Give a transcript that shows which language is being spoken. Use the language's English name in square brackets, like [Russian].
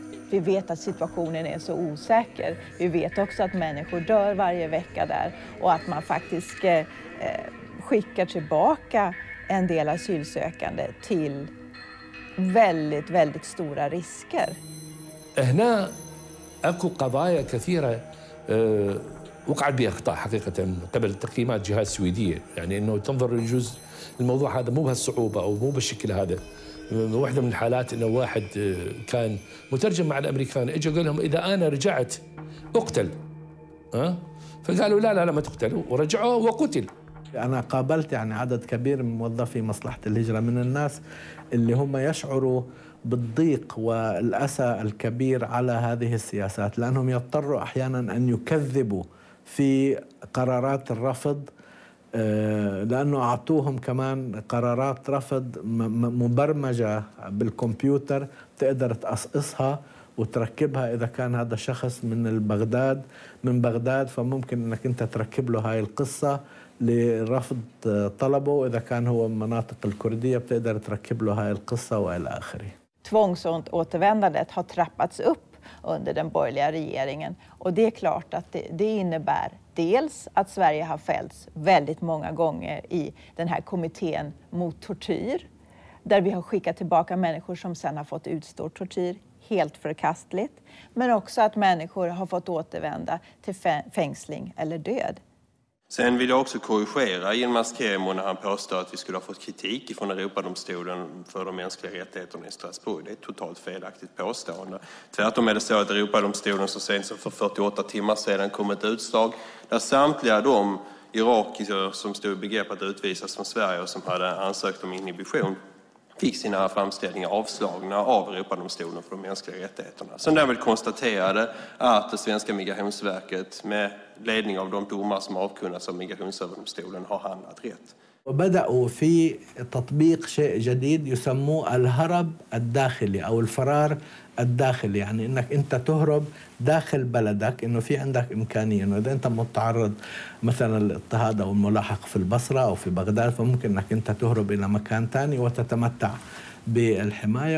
[Swedish] Vi vet att situationen är så osäker. Vi vet också att människor dör varje vecka där och att man faktiskt skickar tillbaka en del asylsökande till väldigt väldigt stora risker. [Arabic] هنا اكو قضايا كثيره وقعت بها اخطاء حقيقه قبل تقييمات جهات سويديه، يعني انه تنظر للجزء الموضوع هذا مو بهالصعوبه او مو بالشكل هذا. واحدة من الحالات إنه واحد كان مترجم مع الأمريكان إجا قال لهم إذا أنا رجعت أقتل، فقالوا لا لا لا ما تقتلوا، ورجعوا وقتل. أنا قابلت يعني عدد كبير من موظفي مصلحة الهجرة من الناس اللي هم يشعروا بالضيق والأسى الكبير على هذه السياسات، لأنهم يضطروا أحياناً أن يكذبوا في قرارات الرفض، لأنه أعطوهم كمان قرارات رفض مبرمجة بالكمبيوتر تقدر تقصقصها وتركبها. إذا كان هذا شخص من البغداد من بغداد فممكن أنك أنت تركب له هاي القصة لرفض طلبه، وإذا كان هو من مناطق الكردية بتقدر تركب له هاي القصة وإلى آخره. [Swedish] Tvångs- och återvändandet har trappats upp under den borgerliga regeringen, och det är klart att det innebär dels att Sverige har fällts väldigt många gånger i den här kommittén mot tortyr, där vi har skickat tillbaka människor som sedan har fått utstå tortyr, helt förkastligt, men också att människor har fått återvända till fängsling eller död. Sen vill jag också korrigera Yilmaz Kerimo när han påstår att vi skulle ha fått kritik från Europadomstolen för de mänskliga rättigheterna i Strasbourg. Det är ett totalt felaktigt påstående. Tvärtom är det så att Europadomstolen så sent som för 48 timmar sedan kom ett utslag där samtliga de irakier som stod i begrepp att utvisas från Sverige och som hade ansökt om inhibition fick sina framställningar avslagna av Europadomstolen för de mänskliga rättigheterna. Som därmed konstaterade att det svenska Migrationsverket med ledning av de domar som avkunnats av Migrationsöverdomstolen har handlat rätt. [Arabic] Och بدأوا في تطبيق شيء جديد يسموه الهرب الداخلي او الفرار الداخلي، يعني انك انت تهرب داخل بلدك، انه في عندك امكانيه انه اذا انت متعرض مثلا للاضطهاد او الملاحق في البصره او في بغداد فممكن انك انت تهرب الى مكان ثاني وتتمتع بالحمايه.